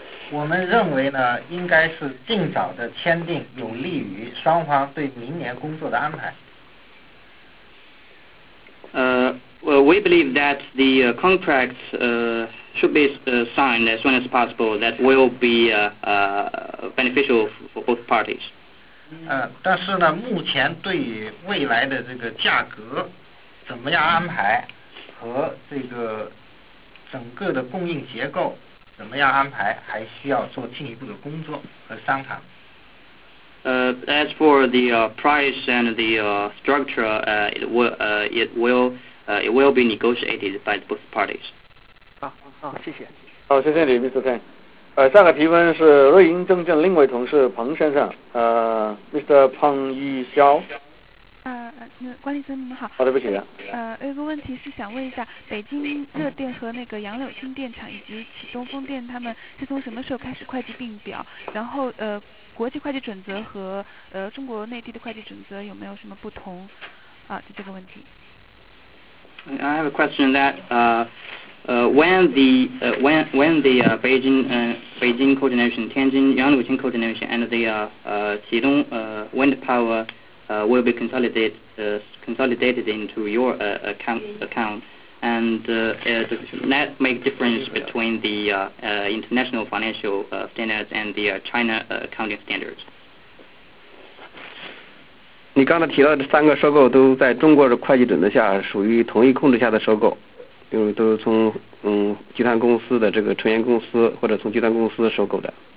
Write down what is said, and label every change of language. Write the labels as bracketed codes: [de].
[zh] 我们认为呢，应该是尽早的签订，有利于双方对明年工作的安排。 [en] We believe that the contract should be signed as soon as possible. That will be beneficial for both parties. [zh] 但是呢，目前对于未来的这个价格怎么样安排和这个整个的供应结构怎么样安排，还需要做进一步的工作和商谈。 [en] As for the price and the structure, it will be negotiated by both parties. [zh] 好，谢谢。好，谢谢你 ，Mr. Tang。下个提问是瑞银证券另一位同事彭先生，Mr. 彭一潇。管理层你们好。好，对不起。有一个问题是想问一下，北京热电和那个杨柳青电厂以及启东风电，他们是从什么时候开始会计并表？然后国际会计准则和中国内地的会计准则有没有什么不同？就这个问题。 [en] I have a question that when the Beijing coordination, Tianjin Yangluqing coordination, and the Qidong wind power will be consolidated into your account, and does that make difference between the international financial standards and the China accounting standards? [zh] 你刚才提到的三个收购都在中国的会计准则下属于同一控制下的收购，因为都是从集团公司的这个成员公司或者从集团公司收购的。